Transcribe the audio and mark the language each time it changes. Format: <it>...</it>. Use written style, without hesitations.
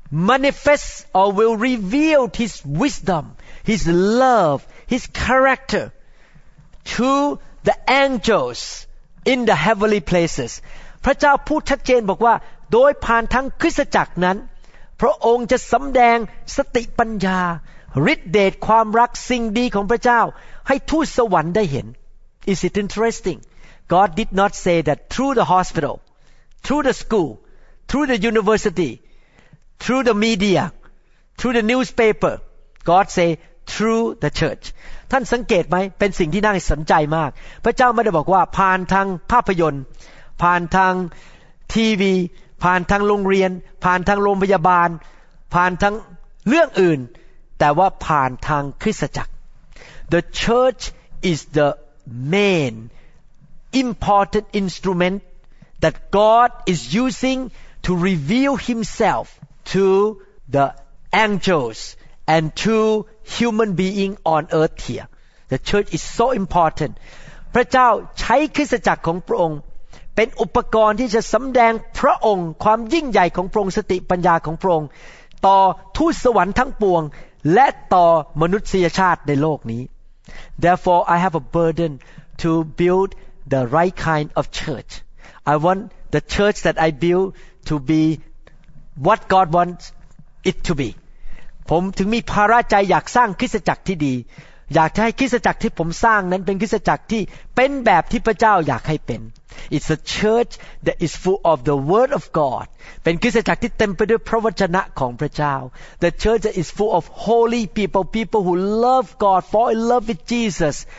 <en>manifest or will reveal His wisdom His love His character to the angelsIn the heavenly places,</en> <th>พระเจ้าพูดชัดเจนบอกว่าโดยผ่านทั้งคริสตจักรนั้นพระองค์จะสำแดงสติปัญญาฤทธิเดชความรักสิ่งดีของพระเจ้าให้ทูตสวรรค์ได้เห็น</th> <en>Is it interesting? God did not say that through the hospital, through the school, through the university, through the media, through the newspaper. God say through the church.</en> <th>ท่านสังเกตไหมเป็นสิ่งที่น่าสนใจมากพระเจ้าไม่ได้บอกว่าผ่านทางภาพยนตร์ผ่านทาง ทีวีผ่านทางโรงเรียนผ่านทางโรงพยาบาลผ่านทางเรื่องอื่นแต่ว่าผ่านทางคริสตจักร</th> <en>The church is the main important instrument that God is using to reveal Himself to the angels and toHuman being on earth here. The church is so important.</en> <th>พระเจ้าใช้คริสตจักรของพระองค์เป็นอุปกรณ์ที่จะสำแดงพระองค์ความยิ่งใหญ่ของพระองค์สติปัญญาของพระองค์ต่อทูตสวรรค์ทั้งปวงและต่อมนุษยชาติในโลกนี้</th> <en>Therefore, I have a burden to build the right kind of church. I want the church that I build to be what God wants it to be.</en> <th>ผมถึงมีภาระใจอยากสร้างคริสตจักรที่ดีอยากจะให้คริสตจักรที่ผมสร้างนั้นเป็นคริสตจักรที่เป็นแบบที่พระเจ้าอยากให้เป็น</th> <en>It's a church that is full of the word of God</en> <th>เป็นคริสตจักรที่เต็มไปด้วยพระวจนะของพระเจ้า</th> <en>The church that is full of holy people people who love God fall in love with Jesus</en>